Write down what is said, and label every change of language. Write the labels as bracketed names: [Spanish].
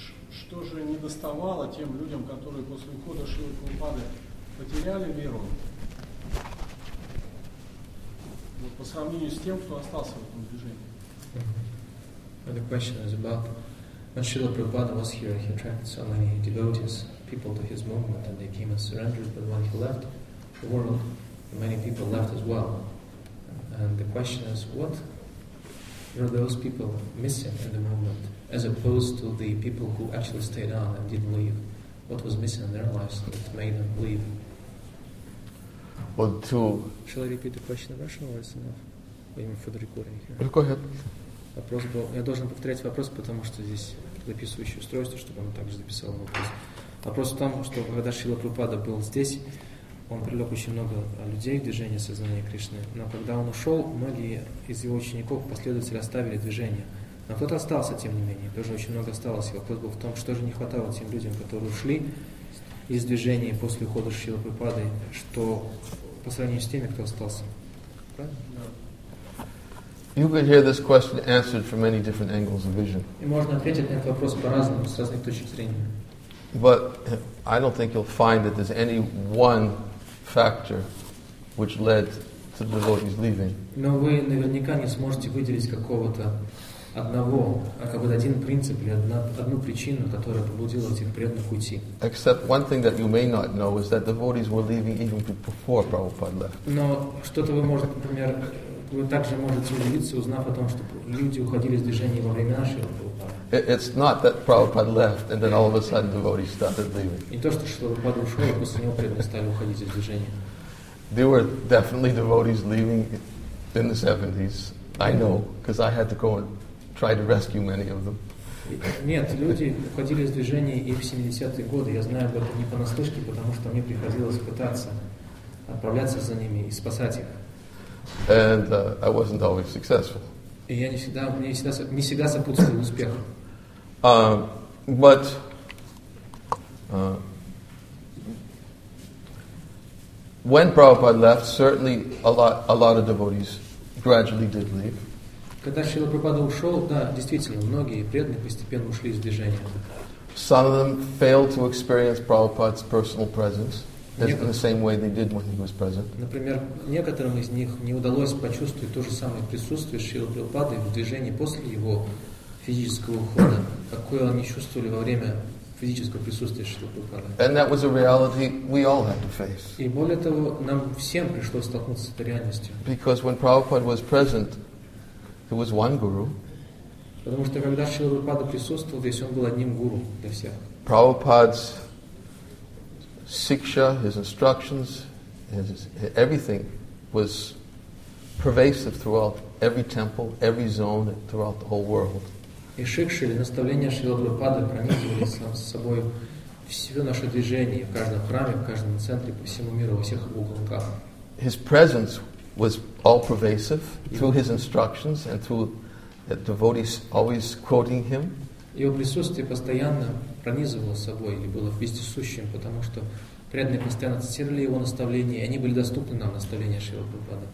[Russian] Что же недоставало тем людям, которые после ухода Шрила Прабхупады потеряли веру, вот по сравнению с тем, кто остался в этом движении? [English] Another question is about when Srila Prabhupada was here, he attracted so many devotees, people to his movement, and they came and surrendered. But when he left the world, many people left as well. And the question is, what were those people missing at the moment, as opposed to the people who actually stayed on and didn't leave? What was missing in their lives that made them leave? Well, to... Shall I repeat the question in Russian, or is it enough? Именно for the recording here. Go ahead. [Russian] Вопрос был... Я должен повторять вопрос, потому что здесь записывающее устройство, чтобы оно также записало вопрос. Вопрос в том, что когда Шрила Прабхупада был здесь, он привлек очень много людей в движение сознания Кришны. Но когда он ушел, многие из его учеников, последователей оставили движение. Но кто-то остался, тем не менее. Тоже очень много осталось. И вопрос был в том, что же не хватало тем людям, которые ушли из движения после ухода Шрила Прабхупады, что по сравнению с теми, кто остался. Правильно? [English] You could hear this question answered from many different angles of vision. [Russian] И можно ответить на этот вопрос по-разному, с разных точек зрения. [English] But I don't think you'll find that there's any one factor which led to the devotees leaving. [Russian] Но вы наверняка не сможете выделить какого-то одного, а как бы один принцип или одну причину, которая побудила этих преданных уйти. [English] Except one thing that you may not know is that devotees were leaving even before Prabhupada left. [Russian] Но что-то вы можете, например, вы также можете удивиться, узнав о том, что люди уходили из движения во время нашего [English] It's not that Prabhupada left and then all of a sudden devotees started leaving. [Russian] Не то, что Прабхупада ушел, а после него преданные стали уходить из движения. [English] There were definitely devotees leaving in the 70s. I know, because I had to go and try to rescue many of them. [Russian] Нет, люди уходили из движения и в 70-е годы. Я знаю об этом не понаслышке, потому что мне приходилось пытаться отправляться за ними и спасать их. [English] And I wasn't always successful. [Russian] И я не всегда, мне не всегда сопутствовал успеху. [English] But when Prabhupada left, certainly a lot of devotees gradually did leave. [Russian] Когда Шрила Прабхупада ушел, да, действительно, многие преданные постепенно ушли из движения. [English] Some of them failed to experience Prabhupada's personal presence. In the same way they did when he was present. [Russian] Например, некоторым из них не удалось почувствовать то же самое присутствие Шрилы Прабхупады в движении после его физического ухода, какое они чувствовали во время физического присутствия Шрилы Прабхупады. [English] And that was a reality we all had to face. [Russian] И более того, нам всем пришлось столкнуться с этой реальностью. [English] Because when Prabhupada was present, there was one guru. [Russian] Потому что когда Шрила Прабхупада присутствовал, здесь он был одним гуру для всех. [English] Prabhupada's Siksha, his instructions, his everything was pervasive throughout every temple, every zone, throughout the whole world. [Russian] И шикша, или наставления Шрилы Прабхупады пронизывали с собой все наше движение в каждом храме, в каждом центре, по всему миру, во всех уголках. [English] His presence was all pervasive through his instructions and through the devotees always quoting him. [Russian] Его присутствие постоянно пронизывало собой и было вездесущим, потому что преданные постоянно цитировали его наставления, и они были доступны нам, наставления Шрилы Прабхупады.